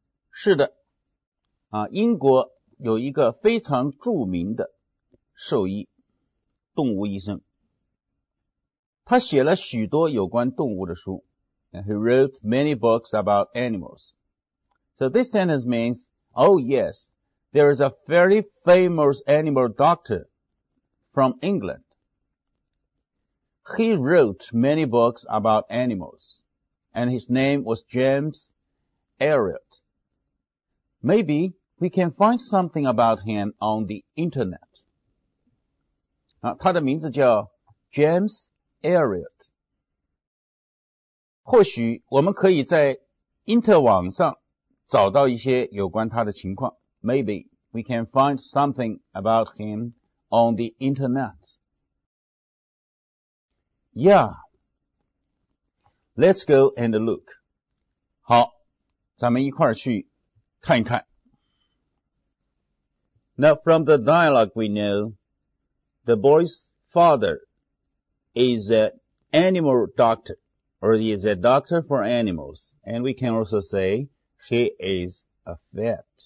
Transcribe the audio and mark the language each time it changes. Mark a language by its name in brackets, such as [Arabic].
[Chinese] 是的。啊，英国有一个非常著名的兽医，动物医生。他写了许多有关动物的书。 [English] And he wrote many books about animals. So this sentence means, oh yes, there is a very famous animal doctor from England. He wrote many books about animals. And his name was James Elliot. Maybe,We can find something about him on the internet. [Chinese] 啊，他的名字叫 James Elliot. 或许我们可以在因特网上找到一些有关他的情况。 [English] Maybe we can find something about him on the internet. Yeah. Let's go and look. [Chinese] 好，咱们一块儿去看一看。 [English] Now from the dialogue we know, the boy's father is an animal doctor, or he is a doctor for animals, and we can also say he is a vet.